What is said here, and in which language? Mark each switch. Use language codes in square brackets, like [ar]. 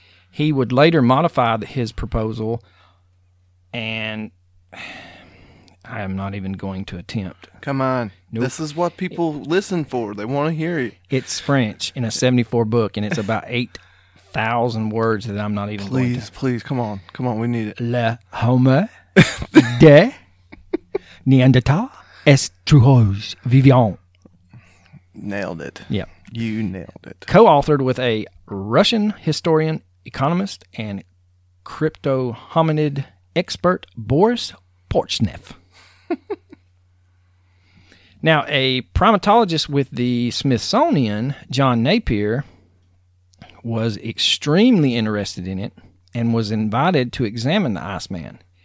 [en] He would later modify his proposal, and I am not even going to attempt. Come on. Nope. This is what people listen for. They want to hear it. It's French in a 74 book, and it's about 8,000 words that I'm not even please, going to. Please, come on. Come on, we need it. [fr] Le Homo de Neanderthal est toujours vivant. [en] Nailed it. Yeah. You nailed it. Co-authored with a Russian historian, economist, and crypto hominid expert, Boris Porchnev. Now, a primatologist with the Smithsonian, John Napier, was extremely interested in it and was invited to examine the Iceman.